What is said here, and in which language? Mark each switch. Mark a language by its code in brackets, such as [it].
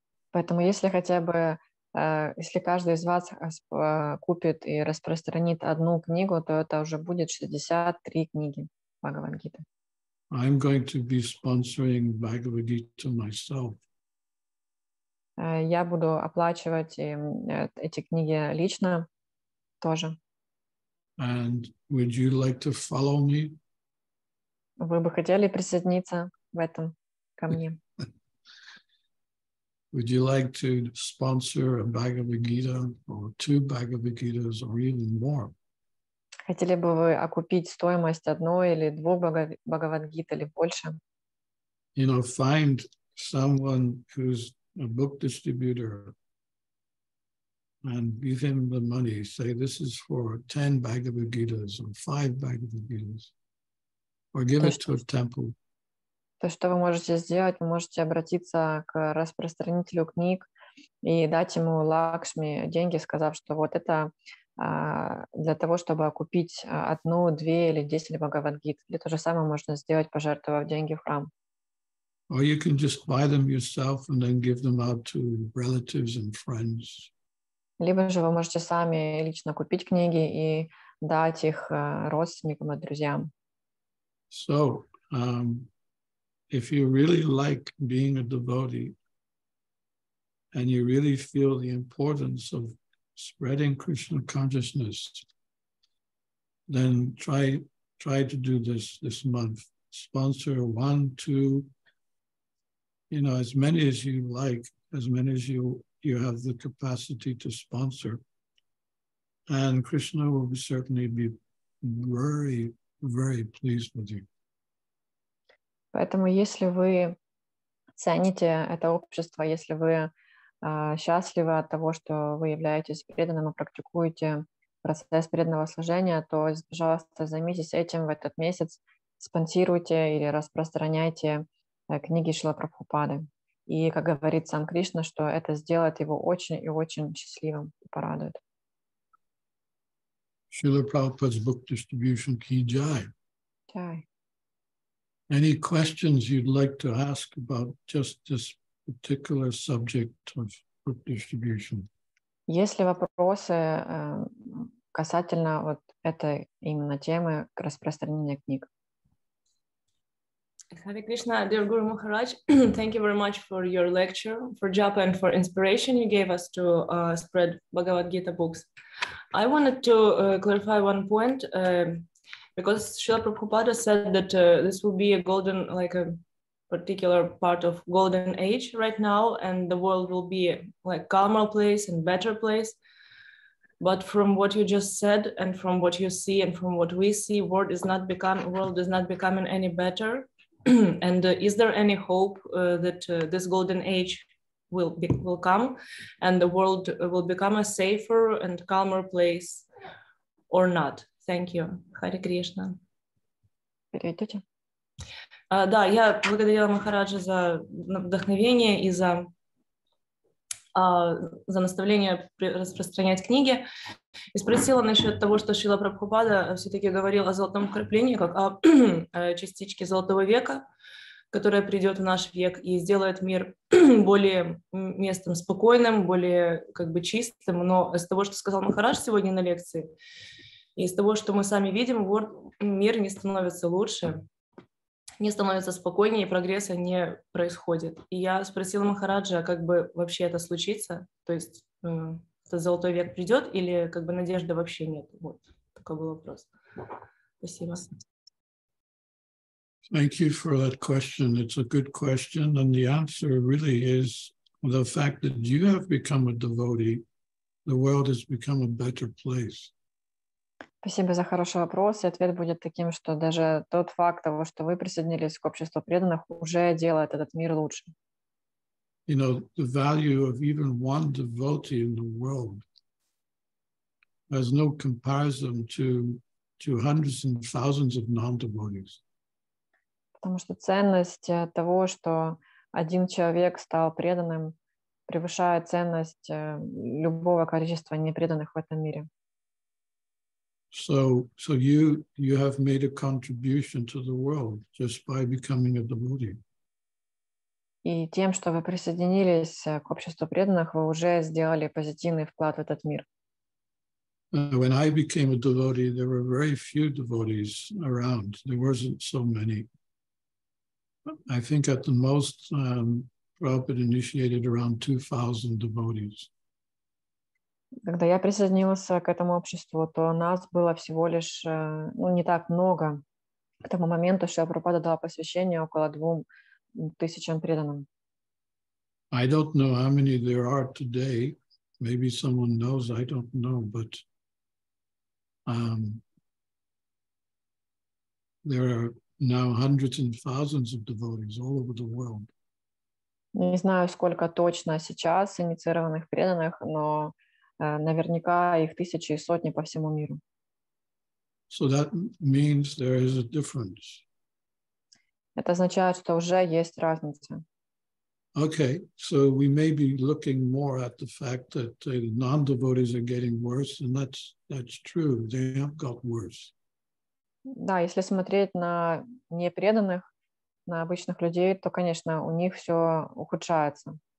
[ru] Поэтому если хотя бы, если каждый из вас купит и распространит одну книгу, то это уже будет 63 книги Бхагавад Гиты. [en] I'm going to be sponsoring Bhagavad Gita myself. [ru] Я буду оплачивать эти книги лично тоже. [en] And would you like to follow me? [ru] Вы бы хотели присоединиться в этом ко мне? [en] Would you like to sponsor a Bhagavad Gita or two Bhagavad Gitas or even more? [ru] Хотели бы вы окупить стоимость одной или двух Бхагавад-гит или больше? [en] You know, find someone who's a book distributor and give him the money. Say, this is for 10 Bhagavad Gitas or 5 Bhagavad Gitas. Or give it to a temple. [ru] То, что вы можете сделать, вы можете обратиться к распространителю книг и дать ему Лакшми деньги, сказав, что вот это для того, чтобы окупить одну, две или 10 Бхагавад-гит. Или то же самое можно сделать, пожертвовав деньги в храм. [en] Or you can just buy them yourself and then give them out to relatives and friends. [ru] Либо же вы можете сами лично купить книги и дать их родственникам и друзьям. [en] So, if you really like being a devotee and you really feel the importance of spreading Krishna consciousness, then try to do this month. Sponsor one, two, you know, as many as you like, as many as you have the capacity to sponsor. And Krishna will certainly be very, very pleased with you. [ru] Поэтому если вы цените это общество, если вы счастливы от того, что вы являетесь преданным и практикуете процесс преданного служения, то, пожалуйста, займитесь этим в этот месяц, спонсируйте или распространяйте книги Шрилы Прабхупады. И, как говорит сам Кришна, что это сделает его очень и очень счастливым и порадует. [en] Шрила Прабхупада's book distribution key jai. Jai. Any questions you'd like to ask about just this particular subject of book distribution? [ru] Есть ли вопросы касательно вот этой именно темы распространения книг? [en] Hare Krishna, dear Guru Maharaj, thank you very much for your lecture, for japa and for inspiration you gave us to spread Bhagavad Gita books. I wanted to clarify one point. Because Srila Prabhupada said that this will be a golden, like a particular part of golden age right now, and the world will be like calmer place and better place. But from what you just said, and from what you see, and from what we see, world is not becoming any better. And is there any hope that this golden age will come and the world will become a safer and calmer place or not? Thank you. Hare Krishna. [ru] Да, я благодарила Махараджа за вдохновение и за, за наставление распространять книги. И спросила насчет того, что Шрила Прабхупада все-таки говорил о золотом креплении, как о частичке золотого века, которая придет в наш век и сделает мир более местом спокойным, более как бы чистым. Но из того, что сказал Махарадж сегодня на лекции, и из того, что мы сами видим, мир не становится лучше, не становится спокойнее, и прогресса не происходит. И я спросила Махараджа, как бы вообще это случится, то есть этот золотой век придет или как бы надежды вообще нет? Вот такой был вопрос. Спасибо. [en] Thank you for that question. It's a good question, and the answer really is the fact that you have become a devotee, the world has become a better place. [ru] Спасибо за хороший вопрос. И ответ будет таким, что даже тот факт того, что вы присоединились к обществу преданных, уже делает этот мир лучше. [en] You know, the value of even one devotee in the world has no comparison to hundreds and thousands of non-devotees. [ru] Потому что ценность того, что один человек стал преданным, превышает ценность любого количества непреданных в этом мире. [en] So you have made a contribution to the world just by becoming a devotee. [ru] И тем, что вы присоединились к обществу преданных, вы уже сделали позитивный вклад в этот мир. [en] When I became a devotee, there were very few devotees around. There wasn't so many. I think at the most, Prabhupada initiated around 2,000 devotees. [ru] Когда я присоединился к этому обществу, то нас было всего лишь, ну, не так много. К тому моменту Шрила Прабхупада дал посвящение около 2000 преданным. [en] I don't know how many there are today. Maybe someone knows, I don't know. But there are now hundreds and thousands of devotees all over the world. [ru] Не знаю, сколько точно сейчас инициированных преданных, но наверняка их тысячи и сотни по всему миру. [en] So that means there is a difference. [ru] Это означает, что уже есть разница. [en] Okay, so we may be looking more at the fact that the non-devotees are getting worse, and that's true. They have got worse. [ru] Да, если смотреть на непреданных, на обычных людей, то, конечно, у них все ухудшается.